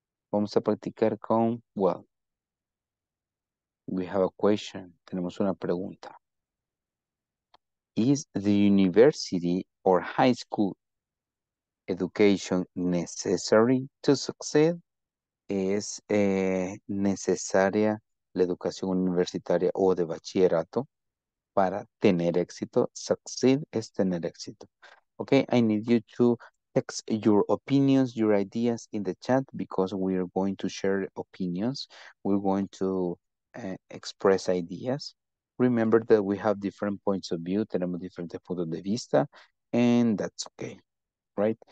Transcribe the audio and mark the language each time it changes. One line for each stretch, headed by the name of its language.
Spanish: Vamos a practicar con,
English: well, we have a question.
Spanish: Tenemos una pregunta.
English: Is the university or high school education necessary to succeed?
Spanish: ¿Es necesaria la educación universitaria o de bachillerato para tener éxito? Succeed es tener éxito.
English: Okay, I need you to text your opinions, your ideas in the chat because we are going to share opinions. We're going to express ideas. Remember that we have different points of view,
Spanish: tenemos diferentes puntos de vista,
English: and that's okay, right?